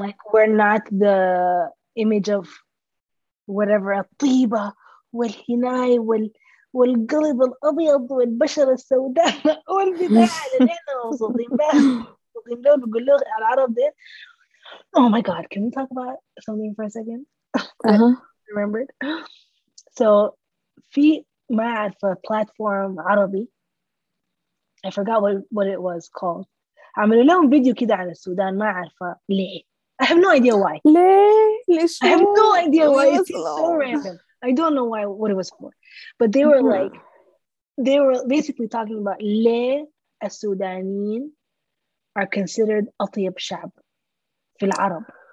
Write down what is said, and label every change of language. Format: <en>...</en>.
<en>And like, we're not the image of whatever,</en> <ar>al-tiba, wal-hinai, wal-galib al-abiyad, wal-bashar al-sawda,</ar> <en>oh my god, can we talk about something for a second? Uh-huh. I remembered. So</en> <ar>في ما عرف</ar> <en>platform عربي, I forgot what it was called.</en> <ar>عملوا لهم فيديو كده على السودان ما عرف ليه.</ar> <en>I have no idea why.</en> <ar>ليش</ar> <en>I have no idea why. It's so random. I don't know why what it was for. But they were like they were basically talking about</en> <ar>ليه السودانيين</ar> <en>are considered</en> <ar>أطيب شعب في العرب.</ar>